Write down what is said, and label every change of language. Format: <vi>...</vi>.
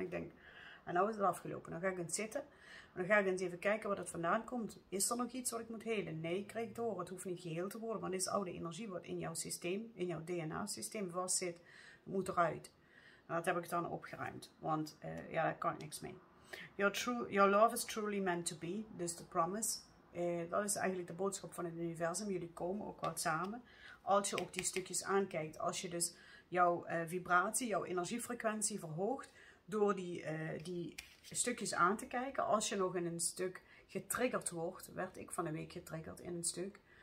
<nl>Ik denk, en nou is het afgelopen. Dan ga ik eens zitten. Dan ga ik eens even kijken waar dat vandaan komt. Is er nog iets wat ik moet helen? Nee, ik krijg door. Het hoeft niet geheeld te worden. Want het is oude energie wat in jouw systeem, in jouw DNA systeem vast zit. Moet eruit. En dat heb ik dan opgeruimd. Want ja, daar kan ik niks mee.</nl> <en>Your love is truly meant to be, dus the promise.</en> <nl>Dat is eigenlijk de boodschap van het universum. Jullie komen ook wel samen. Als je ook die stukjes aankijkt, als je dus jouw vibratie, jouw energiefrequentie verhoogt door die stukjes aan te kijken. Als je nog in een stuk getriggerd wordt, werd ik van de week getriggerd in een stuk.</nl>